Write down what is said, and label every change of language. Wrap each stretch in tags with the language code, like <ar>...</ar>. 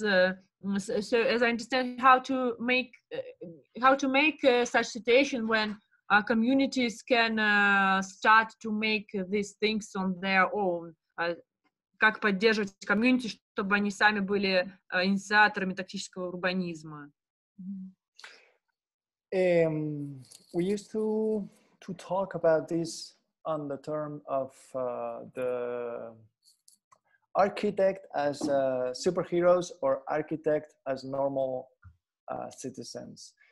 <en>So as I understand, how to make such situation when communities can start to make these things on their own?</en> <ru>Как поддерживать комьюнити, чтобы они сами были инициаторами тактического урбанизма?</ru> <en>We used to talk about this on the term of the architect as superheroes or architect as normal citizens.</en>